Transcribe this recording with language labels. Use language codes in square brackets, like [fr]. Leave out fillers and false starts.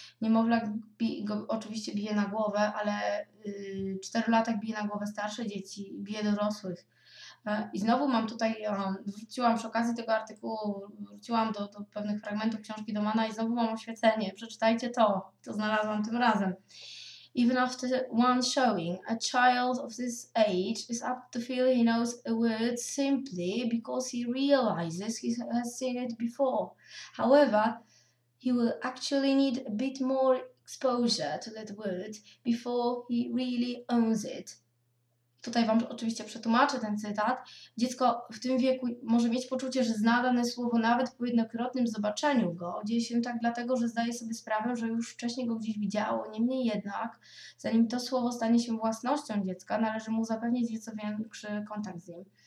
[pl] Niemowlak oczywiście bije na głowę, ale 4 latek bije na głowę starsze dzieci, bije dorosłych. I znowu mam tutaj, wróciłam przy okazji tego artykułu, wróciłam do pewnych fragmentów książki Domana i znowu mam oświecenie. Przeczytajcie to, co znalazłam tym razem. [en] Even after one showing, a child of this age is apt to feel he knows a word simply because he realizes he has seen it before. However, he will actually need a bit more exposure to that word before he really owns it. [pl] Tutaj wam oczywiście przetłumaczę ten cytat. Dziecko w tym wieku może mieć poczucie, że zna dane słowo nawet po jednokrotnym zobaczeniu go. Dzieje się tak dlatego, że zdaje sobie sprawę, że już wcześniej go gdzieś widziało. Niemniej jednak, zanim to słowo stanie się własnością dziecka, należy mu zapewnić nieco większy kontakt z nim.